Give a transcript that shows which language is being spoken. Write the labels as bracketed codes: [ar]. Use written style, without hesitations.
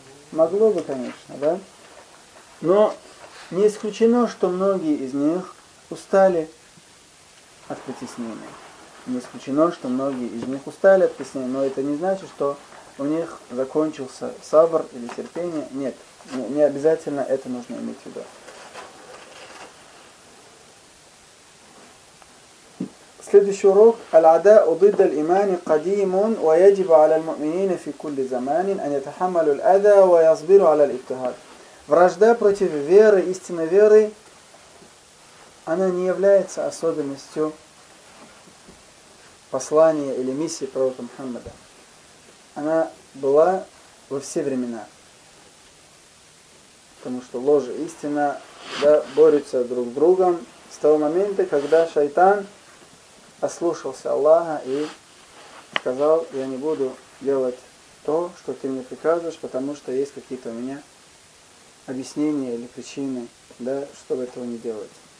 [ru] Могло бы, конечно, да? Но не исключено, что многие из них устали от притеснения. Не исключено, что многие из них устали от притеснения, но это не значит, что у них закончился сабр или терпение. Нет, не обязательно это нужно иметь в виду. Следующий урок: [ar] العداء ضد الإيمان قديم ويجب على المؤمنين في كل زمان أن يتحملوا الأذى ويصبروا على الإبتهال. [ru] Вражда против веры, истинной веры, она не является особенностью послания или миссии пророка Мухаммада. Она была во все времена, потому что ложь и истина, да, борются друг с другом с того момента, когда шайтан ослушался Аллаха и сказал: я не буду делать то, что ты мне приказываешь, потому что есть какие-то у меня объяснения или причины, да, чтобы этого не делать.